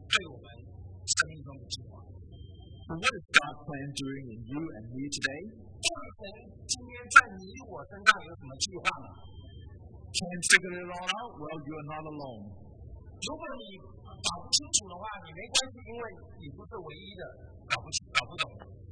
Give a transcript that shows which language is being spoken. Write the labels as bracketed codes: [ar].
[zh] 真的是对着神信号信实的话，那么我们会知道神对我们生命中的计划。 [en] What is God's plan doing in you and me today? [zh] 神今天在你我身上有什么计划呢？ [en] Can't figure it all out? Well, you are not alone. [zh] 如果你搞不清楚的话，你没关系，因为你不是唯一的搞不懂的。